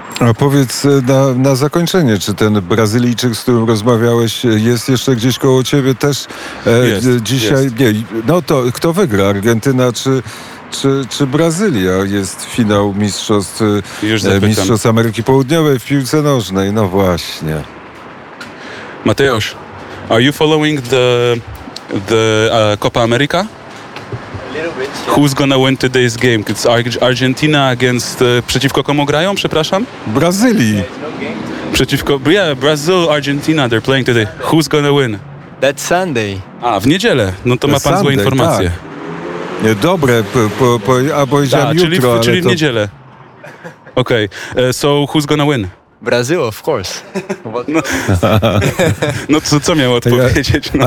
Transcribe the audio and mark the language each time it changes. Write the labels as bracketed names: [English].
[Polish] A powiedz na zakończenie, czy ten Brazylijczyk, z którym rozmawiałeś, jest jeszcze gdzieś koło ciebie też dzisiaj? Jest. Nie, no to kto wygra? Argentyna czy Brazylia? Jest finał mistrzostw Ameryki Południowej w piłce nożnej. No właśnie. [English] Mateusz, are you following the Copa America? Who's gonna win today's game? It's Argentina against... [Polish] Przeciwko komu grają, przepraszam? Brazylii. Przeciwko... [English] Yeah, Brazil, Argentina, they're playing today. Who's gonna win? That's Sunday. [Polish] A, w niedzielę. No to ma pan złe informacje. Tak. Nie, dobre, powiedziałem jutro, czyli ale w niedzielę. Okej, [English] okay. So who's gonna win? Brazil, of course. [Polish] No to co miał odpowiedzieć? No,